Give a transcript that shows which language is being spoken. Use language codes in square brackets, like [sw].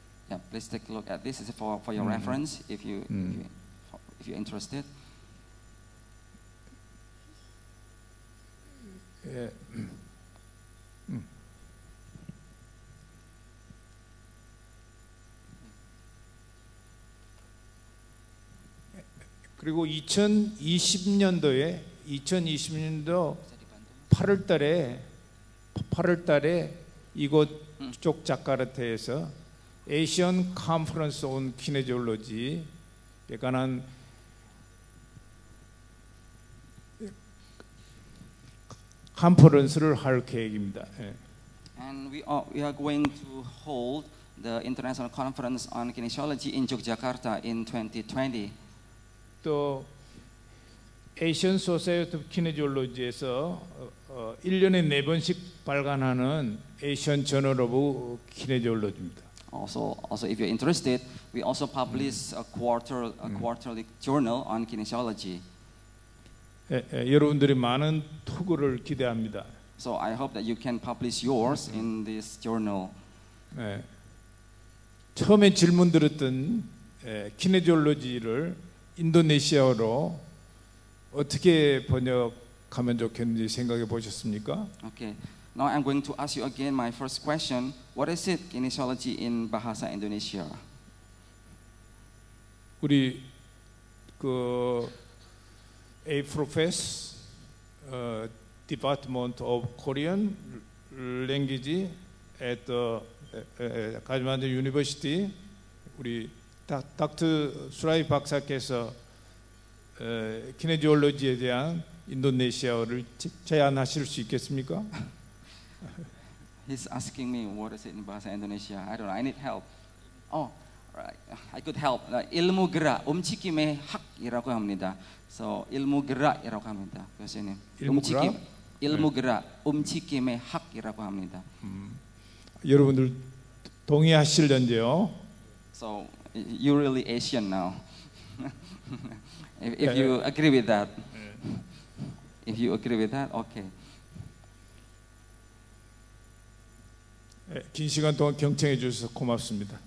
[en] Yeah, please take a look at this. It's for your reference, if you're interested. [ko] 예. 그리고 2020년도 8월 달에 이곳 쪽 자카르타에서 아시안 컨퍼런스 온 키네지올로지에 관한 컨퍼런스를 할 계획입니다. [en] And we are going to hold the International Conference on Kinesiology in Yogyakarta in 2020. [ko] 또 아시안 소사이어티 오브 키네지올로지에서 1년에 네 번씩 발간하는 아시안 저널 오브 키네지올로지입니다. [en] Also if you're interested, we also publish a quarterly journal on kinesiology. [ko] 여러분들이 많은 투구를 기대합니다. [en] So I hope that you can publish yours in this journal. [ko] 처음에 질문 들었던 키네지올로지를 인도네시아어로 어떻게 번역하면 좋겠는지 생각해 보셨습니까? [en] Okay. Now I'm going to ask you again my first question. What is it, kinesiology in Bahasa Indonesia? [ko] 우리 그 A professor Department of Korean Language at the Kathmandu University 우리 닥터 수라이 박사께서 키네지올로지에 대한 인도네시아어를 제안하실 수 있겠습니까? [en] He's asking me what is it in Bahasa Indonesia. I don't know. I need help. Oh, right. I could help. [ko] Ilmu gerak, 움직임의 학이라고 합니다. So, 일무 gerak이라고 합니다. 교수님. 일무 gerak, 움직임의 학이라고 합니다. 여러분들 동의하실런지요? [en] So, you're really Asian now. If you agree with that, if you agree with that, okay. [ko] 긴 시간 동안 경청해 주셔서 고맙습니다.